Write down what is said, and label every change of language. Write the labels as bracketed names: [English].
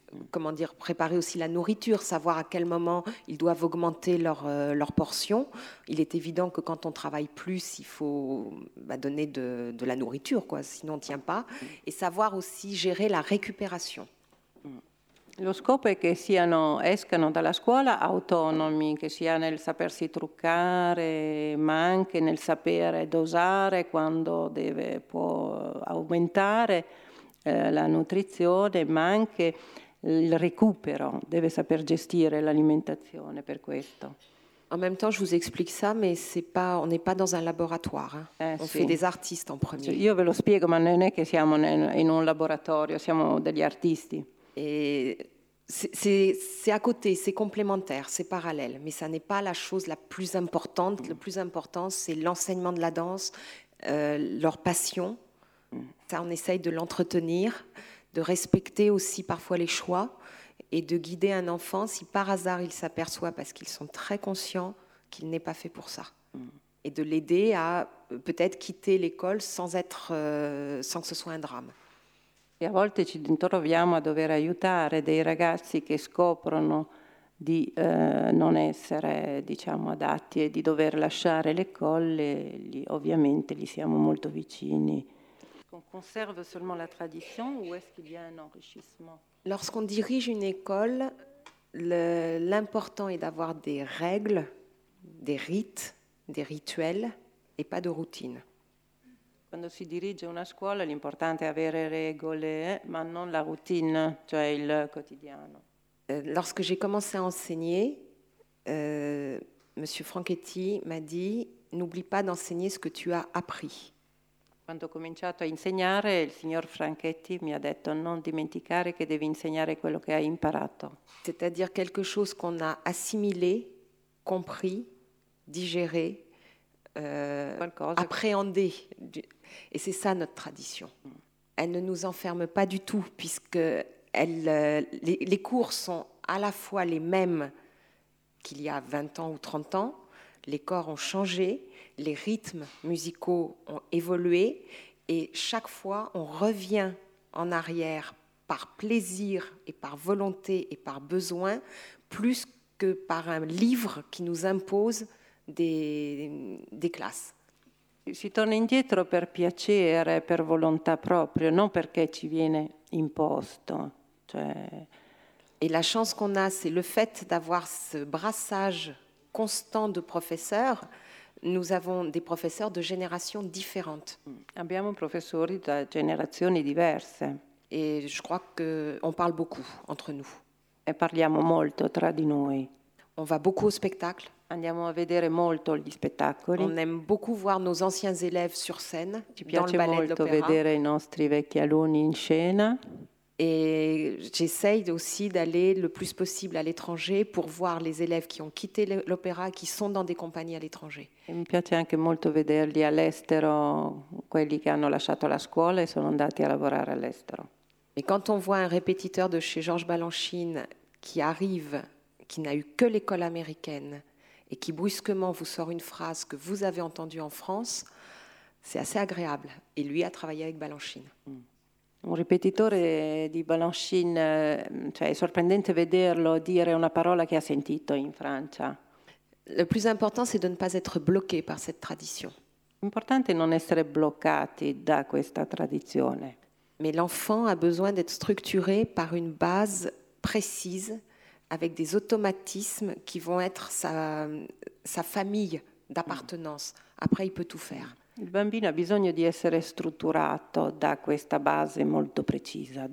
[French] comment dire, préparer aussi la nourriture, savoir à quel moment ils doivent augmenter leur portion. Il est évident que quand on travaille plus, il faut donner de la nourriture, quoi, sinon on ne tient pas. Et savoir aussi gérer la récupération. [Italian] Lo scopo è che siano, escano dalla scuola autonomi, che sia nel sapersi truccare, ma anche nel sapere dosare quando deve, può aumentare la nutrizione, ma anche il recupero, deve saper gestire l'alimentazione per questo. [French] En même temps, je vous explique ça, mais on n'est pas dans un laboratoire. Hein. On fait des artistes en premier. [Italian] Io ve lo spiego, ma non è che siamo in un laboratorio, siamo degli artisti. [French] Et c'est à côté, c'est complémentaire, c'est parallèle, mais ça n'est pas la chose la plus importante. Le plus important, c'est l'enseignement de la danse, leur passion. Ça, on essaye de l'entretenir, de respecter aussi parfois les choix et de guider un enfant si par hasard il s'aperçoit, parce qu'ils sont très conscients qu'il n'est pas fait pour ça, et de l'aider à peut-être quitter l'école sans que ce soit un drame. [Italian] E a volte ci troviamo a dover aiutare dei ragazzi che scoprono di non essere, diciamo, adatti e di dover lasciare le colle. Ovviamente gli siamo molto vicini. [French] On conserve seulement la tradition ou est-ce qu'il y a un enrichissement? Lorsqu'on dirige une école, l'important est d'avoir des règles, des rites, des rituels et pas de routine. [Italian] Quando si dirige una scuola l'importante è avere regole, ma non la routine, cioè il quotidiano. [French] Lorsque j'ai commencé à enseigner, monsieur Franchetti m'a dit: "N'oublie pas d'enseigner ce que tu as appris." [Italian] Quando ho cominciato a insegnare, il signor Franchetti mi ha detto: "Non dimenticare che devi insegnare quello che hai imparato." [French] C'est-à-dire quelque chose qu'on a assimilé, compris, digéré, appréhender. Et c'est ça notre tradition. Elle ne nous enferme pas du tout, puisque les cours sont à la fois les mêmes qu'il y a 20 ans ou 30 ans. Les corps ont changé, les rythmes musicaux ont évolué, et chaque fois on revient en arrière par plaisir et par volonté et par besoin, plus que par un livre qui nous impose des classes. [Italian] Si torna indietro per piacere, per volontà proprio, non perché ci viene imposto. Cioè... [French] Et la chance qu'on a, c'est le fait d'avoir ce brassage constant de professeurs. Nous avons des professeurs de générations différentes. [Italian] Abbiamo professori da generazioni diverse. [French] Et je crois qu'on parle beaucoup entre nous. [Italian] E parliamo molto tra di noi. [French] On va beaucoup au spectacle. [Italian] Andiamo a vedere molto gli spettacoli. [French] On aime beaucoup voir nos anciens élèves sur scène. [Italian] Ci piace molto vedere i nostri vecchi alunni in scena. [French] Et j'essaye aussi d'aller le plus possible à l'étranger pour voir les élèves qui ont quitté l'opéra, qui sont dans des compagnies à l'étranger. [Italian] Et mi piace anche molto vederli all'estero, quelli che hanno lasciato la scuola e sono andati a lavorare all'estero. [French] Et quand on voit un répétiteur de chez Georges Balanchine qui arrive, qui n'a eu que l'école américaine, et qui brusquement vous sort une phrase que vous avez entendue en France, c'est assez agréable. Et lui a travaillé avec Balanchine. Un répétiteur de Balanchine, c'est surprenant de [Italian] vederlo [French] dire une parole qu'il a [Italian] sentito [French] en France. Le plus important, c'est de ne pas être bloqué par cette tradition. L'important est de ne pas être bloqué par cette tradition. Mais l'enfant a besoin d'être structuré par une base précise, avec des automatismes qui vont être sa famille d'appartenance. Après, il peut tout faire. [Italian] Il bambino ha bisogno di essere strutturato da questa base molto precisa.